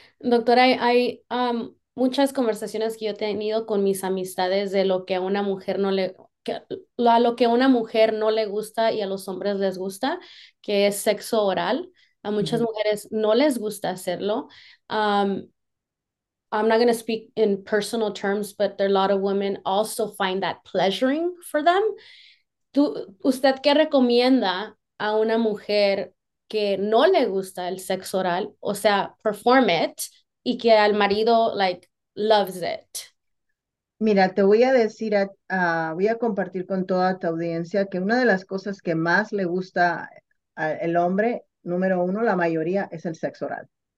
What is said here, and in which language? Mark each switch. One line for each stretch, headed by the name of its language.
Spanish: Doctora, hay muchas conversaciones que yo he tenido con mis amistades de lo que a una mujer no le. A lo que a una mujer no le gusta y a los hombres les gusta, que es sexo oral. A muchas mujeres no les gusta hacerlo.
English: I'm not going to speak in personal terms, but there are a lot of women also find that pleasuring for them.
Spanish: ¿Usted qué recomienda a una mujer que no le gusta el sexo oral? O sea,
English: perform it
Spanish: y que al marido,
English: like, loves it.
Spanish: Mira, te voy a decir, voy a compartir con toda tu audiencia que una de las cosas que más le gusta al hombre, número uno, la mayoría, es el sexo oral.